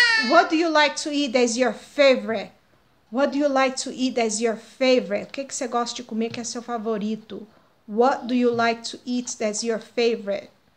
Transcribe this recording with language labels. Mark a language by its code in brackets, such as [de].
[en] What do you like to eat as your favorite? What do you like to eat as your favorite? [pt] O que você gosta de comer que é seu favorito? [en] What do you like to eat as your favorite?